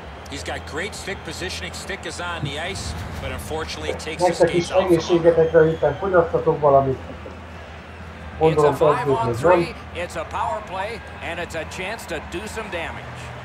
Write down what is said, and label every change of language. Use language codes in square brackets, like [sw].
[en] He's got great stick positioning. Stick is on the ice, but unfortunately takes his skates off. [hu] Nektek is egészségetekre éppen fogyasztatok valamit. Mondom, [en] it's a 5-on-3, it's a power play, and it's a chance to do some damage.